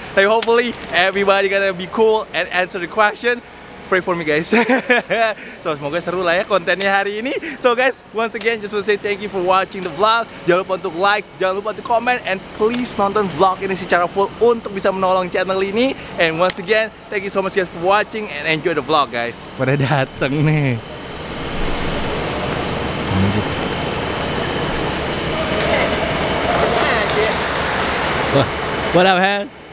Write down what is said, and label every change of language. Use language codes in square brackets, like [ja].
[en] Tapi hopefully everybody gonna be cool and answer the question. Pray for me, guys. So, [id] semoga seru lah ya kontennya hari ini. [en] So, guys, once again, just want to say thank you for watching the vlog. [id] Jangan lupa untuk like, jangan lupa untuk comment, [en] and please [id] nonton vlog ini secara full untuk bisa menolong channel ini. [en] And once again, thank you so much, guys, for watching, and enjoy the vlog, guys. [id] Pada dateng nih. [en] Wah, what up, man?